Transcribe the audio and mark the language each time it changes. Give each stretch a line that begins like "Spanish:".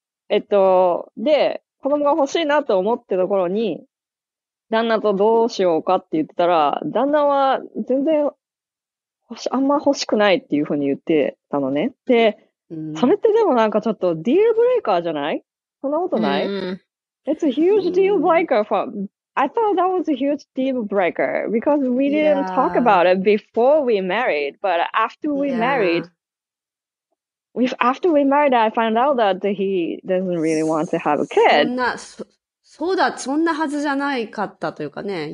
Japanese: で、子供が欲しいなと思ってた頃に、旦那とどうしようかって言ってたら、旦那は全然あんま欲しくないっていうふうに言ってたのね。で、うん、それってでもなんかちょっとディールブレイカーじゃない？そんなことない？
English: うん、It's a huge deal breaker for、うんI thought that was a huge deal breaker because we didn't talk about it before we married. But after we married, I found out that he doesn't really want to have a kid.
Japanese: そんなはずじゃないかったというかね。